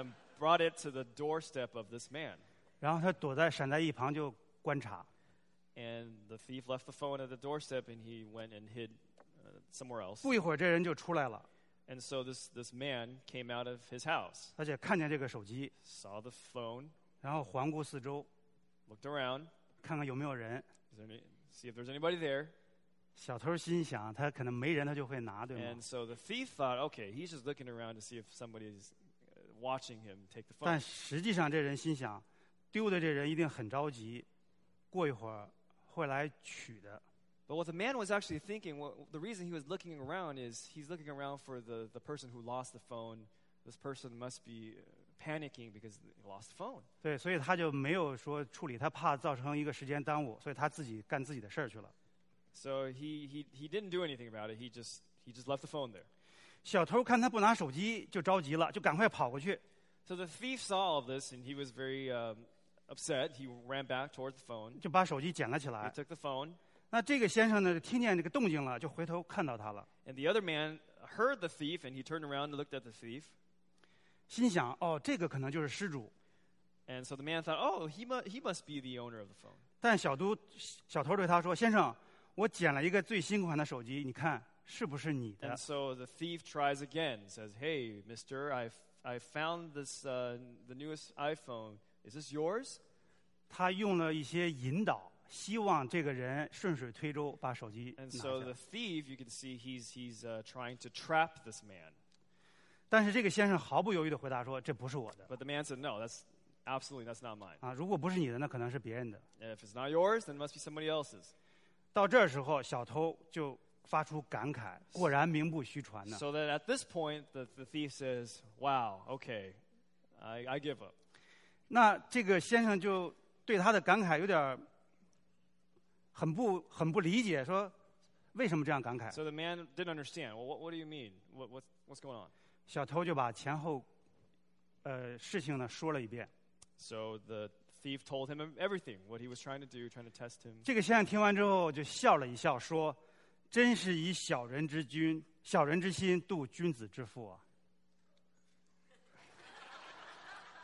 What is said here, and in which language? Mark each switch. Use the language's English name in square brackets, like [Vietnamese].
[English] And brought it to the doorstep of this man. [Chinese] 然后他躲在闪在一旁就观察。 [English] And the thief left the phone at the doorstep and he went and hid somewhere else. [Chinese] 不一会儿这人就出来了。 [English] And so this man came out of his house. [Chinese] 而且看见这个手机。 [English] Saw the phone. [Chinese] 然后环顾四周。 [English] Looked around. [Chinese] 看看有没有人。 [English] See if there's anybody there. [Chinese] 小偷心想，他可能没人，他就会拿，对吗 [English] ？And so the thief thought, okay, he's just looking around to see if somebody's watching him take the phone. [Chinese] 但实际上，这人心想，丢的这人一定很着急，过一会儿会来取的。 [English] But what the man was actually thinking, the reason he was looking around is he's looking around for the person who lost the phone. This person must be panicking because he lost the phone. [Chinese] 对，所以他就没有说处理，他怕造成一个时间耽误，所以他自己干自己的事儿去了。 [English] So he didn't do anything about it. He just left the phone there. [Chinese] 小偷看他不拿手机就着急了，就赶快跑过去。 [English] So the thief saw all of this and he was very upset. He ran back towards the phone. [Chinese] 就把手机捡了起来。 [English] He took the phone. [Chinese] 那这个先生呢，听见这个动静了，就回头看到他了。 [English] And the other man heard the thief and he turned around and looked at the thief. [Chinese] 心想，哦，这个可能就是失主。 [English] And so the man thought, oh, he must be the owner of the phone. [Chinese] 但小偷对他说，先生。我捡了一个最新款的手机，你看是不是你的 [English] ？And so the thief tries again, says, "Hey, Mister, I found this the newest iPhone. Is this yours?" [Chinese] 他用了一些引导，希望这个人顺水推舟把手机拿下。 [English] And so the thief, you can see, he's trying to trap this man. [Chinese] 但是这个先生毫不犹豫地回答说，这不是我的。 [English] But the man said, "No, that's absolutely that's not mine." [Chinese] 啊，如果不是你的，那可能是别人的。 [English] And if it's not yours, then it must be somebody else's. [Chinese] 到这时候，小偷就发出感慨：“果然名不虚传呢。” [English] So that at this point, the thief says, "Wow, okay, I give up." [Chinese] 那这个先生就对他的感慨有点很不理解，说：“为什么这样感慨 [English] ？”So the man didn't understand. What do you mean? What's going on? [Chinese] 小偷就把前后事情呢说了一遍。 [English] So the thief told him everything, what he was trying to do, trying to test him. [Chinese] 这个先生听完之后就笑了一笑，说：“真是以小人之心度君子之腹啊。”